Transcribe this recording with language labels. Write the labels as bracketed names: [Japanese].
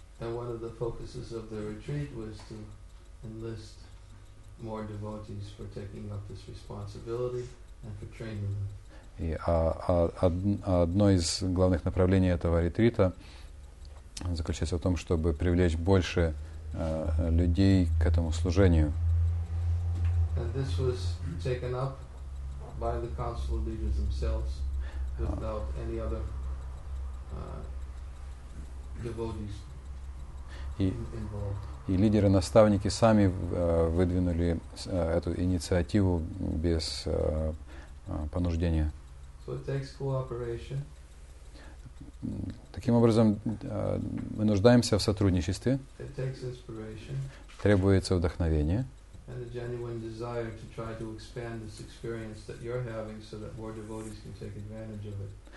[English] And one of the focuses of the retreat was to enlist more devotees for taking up this responsibility and for training them. [Russian] И одно из главных направлений этого ретрита заключается в том, чтобы привлечь больше людей к этому служению. [English] And this was taken up by the council leaders themselves without any other devotees involved. [Russian] И лидеры-наставники сами выдвинули эту инициативу без понуждения. [English] So it takes cooperation. [Russian] Таким образом, мы нуждаемся в сотрудничестве. [English] It takes inspiration. [Russian] Требуется вдохновение. [English] And a genuine desire to try to expand this experience that you're having so that more devotees can take advantage of it.